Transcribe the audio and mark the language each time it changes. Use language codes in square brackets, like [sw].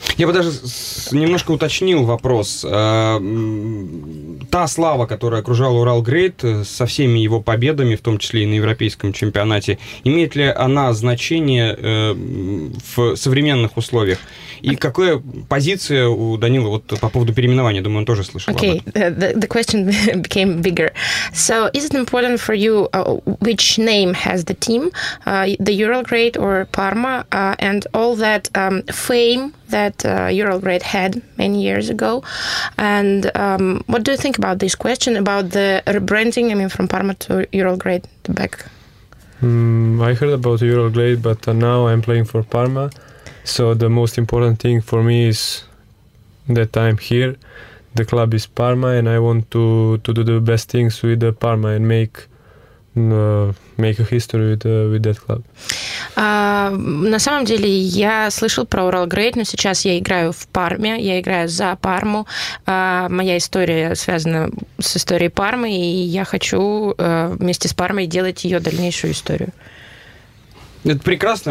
[ru] Я бы даже немножко уточнил вопрос. Та слава, которая окружала Уралгрейд со всеми его победами, в том числе и на европейском чемпионате, имеет ли она значение в современных условиях? И okay. Какая позиция у Данилы вот по поводу переименования? Думаю, он тоже слышал [en] okay. [ru] об этом. [en] Okay, the question became bigger. So, is it important for you which name has the team, the Уралгрейд or Parma, and all that fame that Уралгрейд had many years ago? And what do you think about this question, about the rebranding, I mean, from Parma to Уралгрейд, the back? I heard about Уралгрейд, but now I'm playing for Parma. So the most important thing for me is that I'm here. The club is Parma, and I want to do the best things with the Parma and make a history with that club. [ru] На самом деле, я слышал про Уралгрейд, но сейчас я играю в Парме, я играю за Парму. Моя история связана с историей Пармы, и я хочу вместе с Пармой делать ее дальнейшую историю. Это прекрасно.